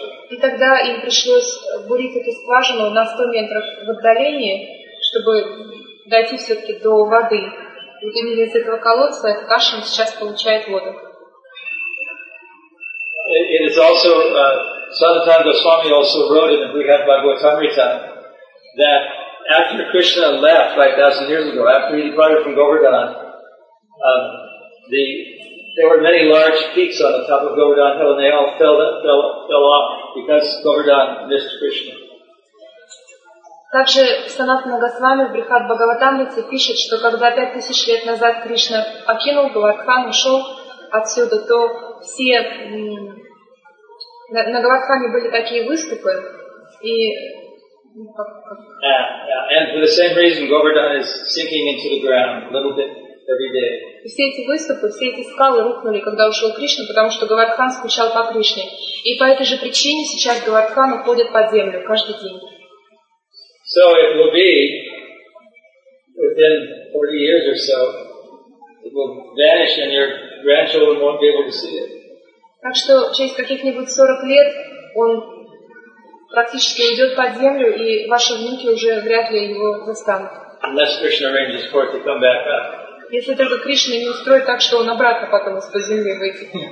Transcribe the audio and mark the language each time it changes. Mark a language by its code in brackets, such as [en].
[ru] И тогда им пришлось бурить эту скважину на 100 метров в отдалении, чтобы дойти все-таки до воды. И именно из этого колодца Кашин сейчас получает воду. [en] It is also Sanatana Goswami also wrote in the Brihad Bhagavatamrita that after Krishna left 5,000 years ago, after he departed from Govardhan, there were many large peaks on the top of Govardhan Hill, and they all fell off because Govardhan missed Krishna. [ru] Также Санатана Госвами в Брихад Бхагаватамрите пишет, что когда 5000 лет назад Кришна покинул Говардхан, ушел отсюда, то все на Говардхане были такие выступы, и [en] And for the same reason, Govardhan is sinking into the ground a little bit. Every day. [ru] Все эти выступы, все эти скалы рухнули, когда ушел Кришна, потому что Говардхан скучал по Кришне. И по этой же причине сейчас Говардхан уходит под землю каждый день. [en] So it will be within 40 years or so, it will vanish and your grandchildren won't be able to see it. [ru] Так что через каких-нибудь 40 лет он практически уйдет под землю, и ваши внуки уже вряд ли его застанут. [en] Unless Krishna arranges for it to come back up. [ru] Если только Кришна не устроит так, что он обратно потом из-под земли выйти.